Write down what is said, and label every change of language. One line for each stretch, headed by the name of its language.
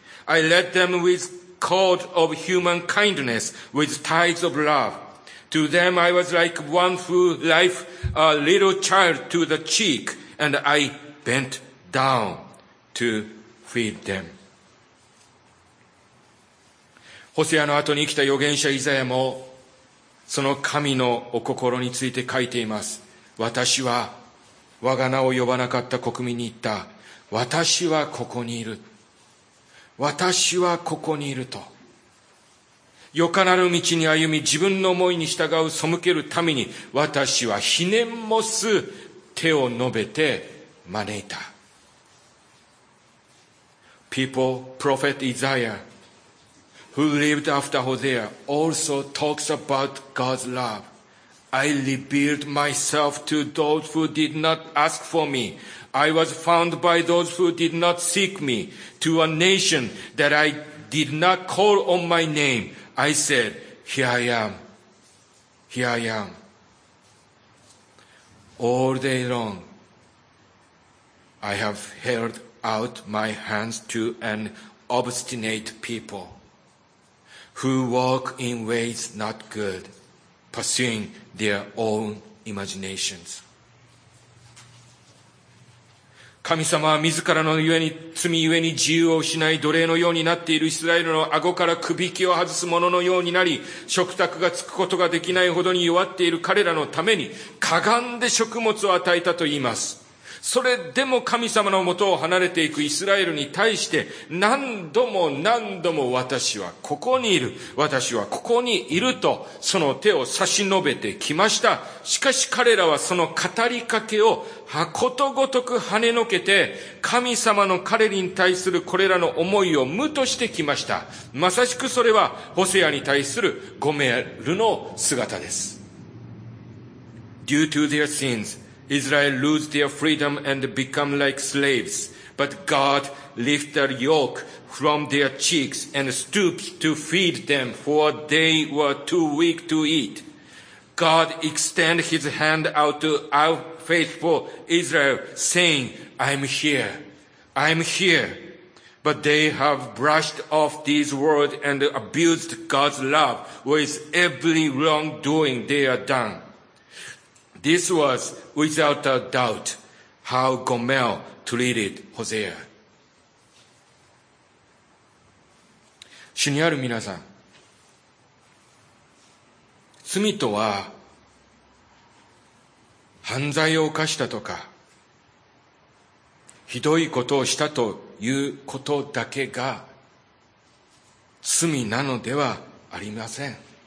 English: I led them with cord of human kindness, with ties of love. To them I was like one who lifts a little child to the cheek, and I bent down to feed them.
Japanese: ホセアの後に生きた預言者イザヤもその神のお心について書いています。私は我が名を呼ばなかった国民に言った。私はここにいる、私はここにいると。よかなる道に歩み自分の思いに従う背けるために、私は非念もす手を伸べて招いた。
English: People, prophet Isaiah, who lived after Hosea, also talks about God's love. I revealed myself to those who did not ask for me. I was found by those who did not seek me. To a nation that I did not call on my name. I said, here I am, here I am. All day long, I have held out my hands to an obstinate people who walk in ways not good, pursuing their own imaginations.
Japanese: 神様は自らのゆえに罪ゆえに自由を失い、奴隷のようになっているイスラエルの顎から首輝きを外す者のようになり、食卓がつくことができないほどに弱っている彼らのためにかがんで食物を与えたと言います。それでも神様のもとを離れていくイスラエルに対して、何度も何度も私はここにいる、私はここにいると、その手を差し伸べてきました。しかし彼らはその語りかけをことごとく跳ねのけて、神様の彼らに対するこれらの思いを無としてきました。まさしくそれはホセアに対するゴメルの姿です。
English: Due to their sinsIsrael lose their freedom and become like slaves, but God lifts the yoke from their cheeks and stoops to feed them, for they were too weak to eat. God extends his hand out to our faithful Israel, saying, I'm here, I'm here. But they have brushed off these words and abused God's love with every wrongdoing they have done. This was, without a doubt, how Gomel treated Hosea.
Japanese: 主にある皆さん、罪とは犯罪を犯したとか、ひどいことをしたということだけが罪なのではありません。